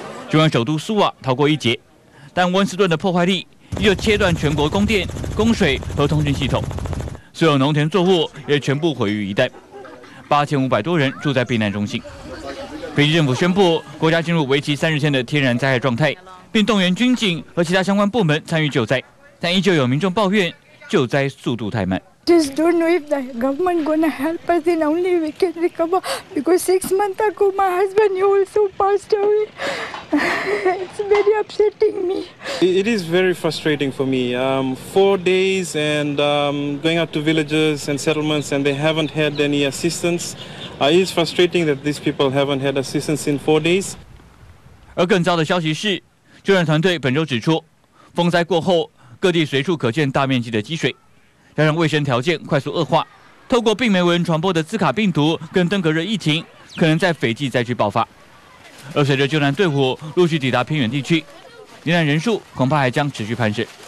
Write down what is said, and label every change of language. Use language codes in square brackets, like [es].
[zh] 尽管首都苏瓦逃过一劫，但温斯顿的破坏力依旧切断全国供电、供水和通讯系统，所有农田作物也全部毁于一旦。 8500多人住在避难中心。斐济政府宣布，国家进入为期30天的天然灾害状态，并动员军警和其他相关部门参与救灾，但依旧有民众抱怨。救灾速度太慢。 [en] Just don't know if the government gonna help us, and only we can recover. Because 6 months ago, my husband he also passed away. It's very upsetting me. It is very frustrating for me. 4 days and going out to villages and settlements, and they haven't had any assistance. It is frustrating that these people haven't had assistance in 4 days. [zh] 而更糟的消息是，救援团队本周指出，风灾过后。各地随处可见大面积的积水，加上卫生条件快速恶化，透过病媒文传播的兹卡病毒跟登革热疫情可能在斐济灾区爆发。而随着救援队伍陆续抵达偏远地区，罹难人数恐怕还将持续攀升。